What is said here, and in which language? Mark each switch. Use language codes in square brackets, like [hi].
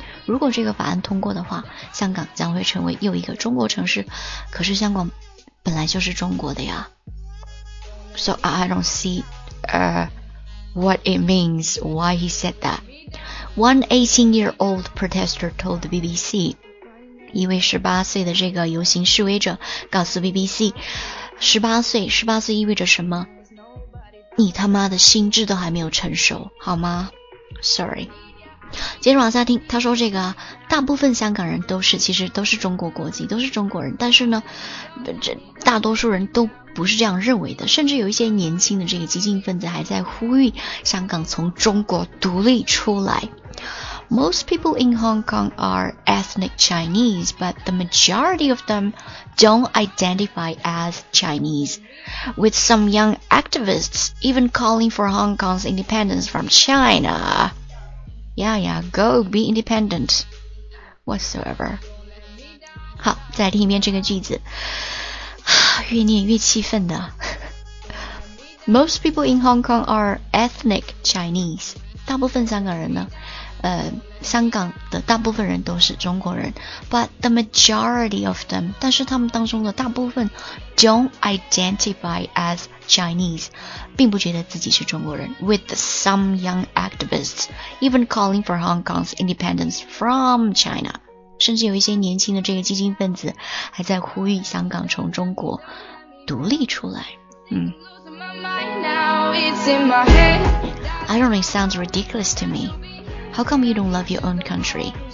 [zh] 如果这个法案通过的话，香港将会成为又一个中国城市。可是香港本来就是中国的呀。 [en] So I don't see, what it means, why he said that. One 18-year-old protester told the BBC， [zh] 一位18岁的这个游行示威者告诉 BBC， 18岁意味着什么？你他妈的心智都还没有成熟，好吗？ [en] Sorry。 [zh] 接着往下听，他说这个大部分香港人都是，其实都是中国国籍，都是中国人，但是呢，这大多数人都不是这样认为的，甚至有一些年轻的这个激进分子还在呼吁香港从中国独立出来。 [en] Most people in Hong Kong are ethnic Chinese, but the majority of them don't identify as Chinese, with some young activists even calling for Hong Kong's independence from China. Yeah, yeah, go be independent. Whatsoever. [zh] 好，再听一遍这个句子。越念越气愤的。 [en] Most people in Hong Kong are ethnic Chinese. [zh] 大部分香港人呢？香港的大部分人都是中国人， [en] but the majority of them， [zh] 但是他们当中的大部分 [en] don't identify as Chinese， [zh] 并不觉得自己是中国人， [en] with some young activists even calling for Hong Kong's independence from China， [zh] 是甚至有一些年轻的这个激进分子还在呼吁香港从中国独立出来。 [en] I don't know, it sounds ridiculous to me. How come you don't love your own country?